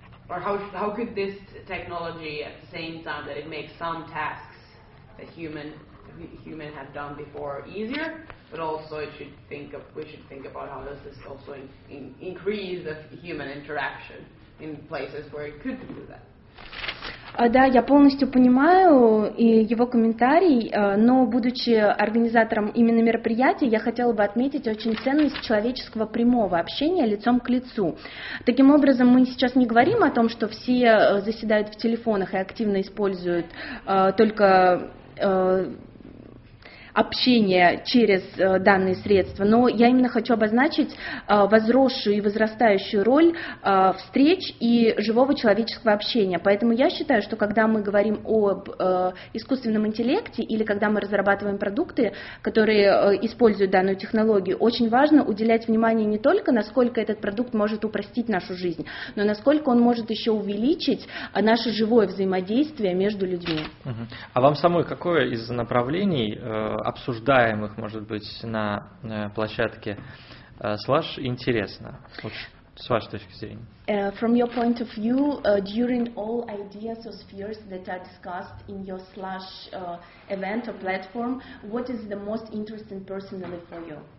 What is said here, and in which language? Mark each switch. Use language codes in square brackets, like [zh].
[en] or how could this technology, at the same time that it makes some tasks that human have done before easier, but also we should think about how does this also increase the human interaction in places where it could do that. [ru] Да, я полностью понимаю и его комментарий, но будучи организатором именно мероприятия, я хотела бы отметить очень ценность человеческого прямого общения лицом к лицу. Таким образом, мы сейчас не говорим о том, что все заседают в телефонах и активно используют только общение через данные средства, но я именно хочу обозначить возросшую и возрастающую роль встреч и живого человеческого общения. Поэтому я считаю, что когда мы говорим об искусственном интеллекте или когда мы разрабатываем продукты, которые используют данную технологию, очень важно уделять внимание не только, насколько этот продукт может упростить нашу жизнь, но насколько он может еще увеличить наше живое взаимодействие между людьми. А вам самой какое из направлений обсуждаемых, может быть, на площадке Slush интересно, вот, с вашей точки зрения? [en] From your point of view, during all ideas or spheres that are discussed in your Slush event or platform, what is the most interesting personally for you?